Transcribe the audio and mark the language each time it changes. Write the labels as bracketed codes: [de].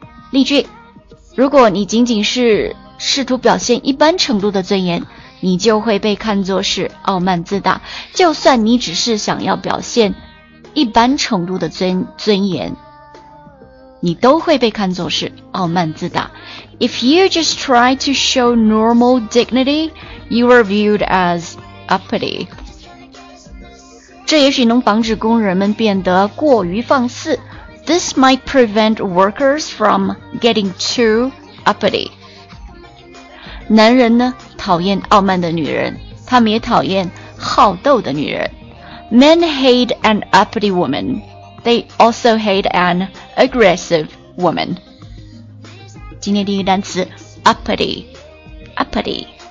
[zh] 例句，如果你仅仅是试图表现一般程度的尊严，你就会被看作是傲慢自大。就算你只是想要表现一般程度的尊严，你都会被看作是傲慢自大。 [en] If you just try to show normal dignity, you are viewed as uppity. [zh] 这也许能防止工人们变得过于放肆。 [en] This might prevent workers from getting too uppity. [zh] 男人呢，讨厌傲慢的女人，他们也讨厌好斗的女人。 [en] Men hate an uppity woman. They also hate an aggressive woman. [zh] 今天第一个单词 uppity, uppity.